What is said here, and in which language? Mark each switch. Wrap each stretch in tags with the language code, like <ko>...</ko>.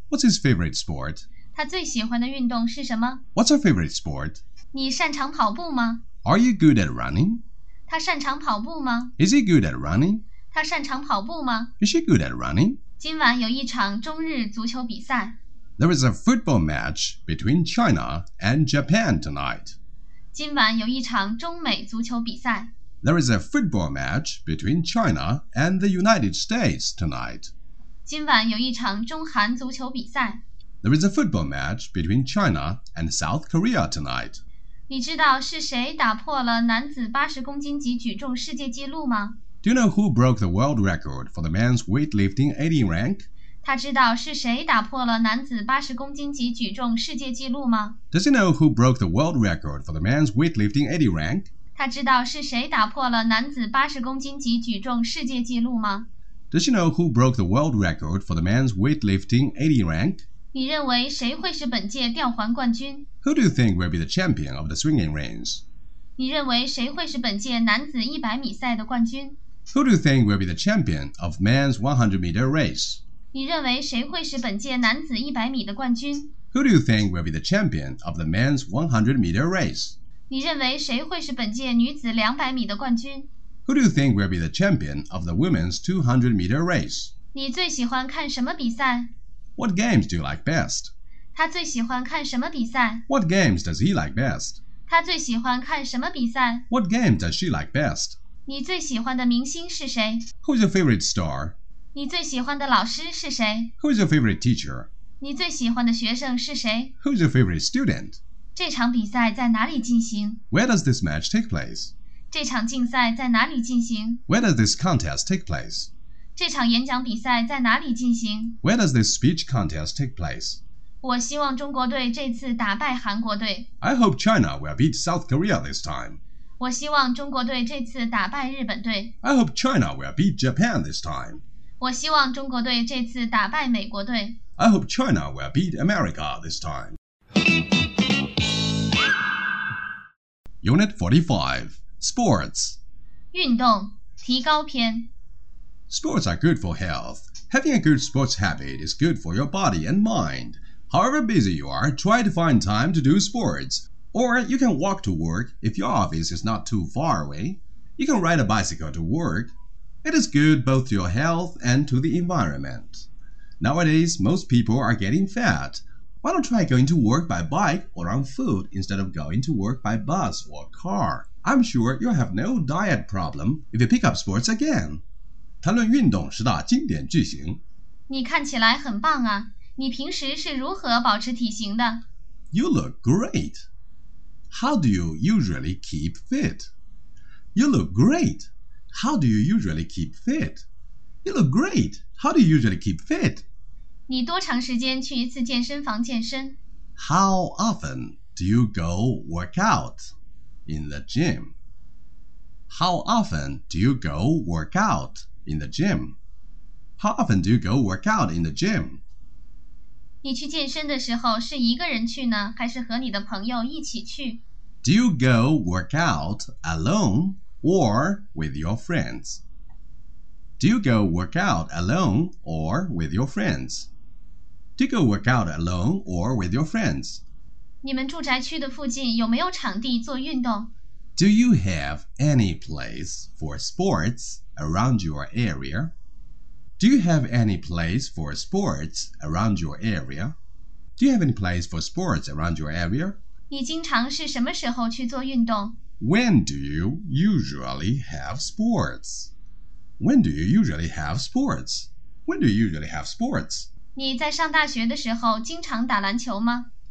<en>What's his favorite sport?</en> <zh>他最喜欢的运动是什么？</zh> <en>What's your favorite sport?</en> <zh>你擅长跑步吗？</zh> <en>Are you good at running?</en> <zh>他擅长跑步吗？</zh> <en>Is he good at running?</en> <zh>他擅长跑步吗？</zh> <en>Is she good at running?</en> <zh>今晚有一场中日足球比赛。</zh> <en>There is a football match between China and Japan tonight.</en> <zh>今晚有一场中美足球比赛。</zh> <en>There is a football match between China and the United States tonight.</en> <zh>今晚有一场中韩足球比赛。</zh> <en>There is a football match between China and South Korea tonight.</en> <zh>你知道是谁打破了男子80公斤级举重世界纪录吗？</zh> <en>Do you know who broke the world record for the men's weightlifting 80 rank?</en> <zh>他知道是谁打破了男子80公斤级举重世界纪录吗？</zh> <en>Does he know who broke the world record for the men's weightlifting 80 rank?</en> <zh>他知道是谁打破了男子80公斤级举重世界纪录吗？</zh> <en>Does he know who broke the world record for the men's weightlifting 80 rank?</en> <zh>你认为谁会是本届吊环冠军？</zh> <en>Who do you think will be the champion of the swinging rings?</en> <zh>你认为谁会是本届男子100米赛的冠军？</zh> <en>Who do you think will be the champion of men's 100 meter race?</en> <zh>你认为谁会是本届男子100米的冠军？</zh> <en>Who do you think will be the champion of the men's 100 meter race?</en> <zh>你认为谁会是本届女子200米的冠军？</zh> <en>Who do you think will be the champion of the women's 200 meter race?</en> <zh>你最喜欢看什么比赛？</zh> <en>What games do you like best?</en> <zh>他最喜欢看什么比赛？</zh> <en>What games does he like best?</en> <zh>她最喜欢看什么比赛？</zh> <en>What game does she like best?</en> <zh>你最喜欢的明星是谁？</zh> <en>Who's your favorite star?</en> <zh>你最喜欢的老师是谁？</zh> <en>Who's your favorite teacher?</en> <zh>你最喜欢的学生是谁？</zh> <en>Who's your favorite student?</en> <zh>这场比赛在哪里进行？</zh> <en>Where does this match take place?</en> <zh>这场竞赛在哪里进行？</zh> <en>Where does this contest take place?</en> <zh>这场演讲比赛在哪里进行？</zh> <en>Where does this speech contest take place?</en> <zh>我希望中国队这次打败韩国队。</zh> <en>I hope China will beat South Korea this time.</en> <zh>我希望中国队这次打败日本队。</zh> <en>I hope China will beat Japan this time.</en> <zh>我希望中国队这次打败美国队。</zh> <en>I hope China will beat America this time. Unit 45. Sports.</en> <zh>运动，提高篇。</zh> <en>Sports are good for health. Having a good sports habit is good for your body and mind. However busy you are, try to find time to do sports. Or you can walk to work if your office is not too far away. You can ride a bicycle to work. It is good both to your health and to the environment. Nowadays, most people are getting fat. Why not try going to work by bike or on foot instead of going to work by bus or car? I'm sure you'll have no diet problem if you pick up sports again.</en> <zh>谈论运动十大经典句型。你看起来很棒啊。你平时是如何保持体型的？</zh> <en>You look great. How do you usually keep fit? You look great. How do you usually keep fit? You look great. How do you usually keep fit?</en> <zh>你多长时间去一次健身房健身？</zh> <en>How often do you go work out in the gym? How often do you go work out in the gym? How often do you go work out in the gym?</en> <zh>你去健身的时候是一个人去呢，还是和你的朋友一起去？</zh> <en>Do you go work out alone or with your friends? Do you go work out alone or with your friends? Do you go work out alone or with your friends?</en> <zh>你们住宅区的附近有没有场地做运动？</zh> <en>Do you have any place for sports around your area? Do you have any place for sports around your area? Do you have any place for sports around your area?</en> <zh>你经常是什么时候去做运动？</zh> <en>When do you usually have sports? When do you usually have sports? When do you usually have sports?</en> <zh>你在上大学的时候经常打篮球吗？</zh>